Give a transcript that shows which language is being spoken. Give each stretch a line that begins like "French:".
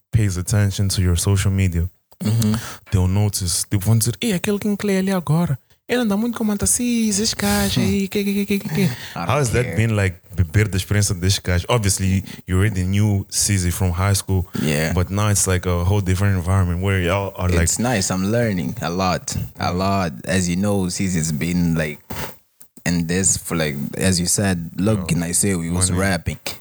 English: pays attention to your social media, They'll notice. They'll want to say, hey,
Portuguese: aquele King Clay ali agora. Ele anda muito com manta, sim, esse gajo aí, que.
English: How has that been like,
Portuguese: beber da experiência desse gajo?
English: Obviously, you already knew CZ from high school. Yeah. But now it's like a whole different environment where y'all are like... It's nice. I'm learning a lot. As you know, CZ's been like in this for like, as you said, Logan, I say, he was rapping.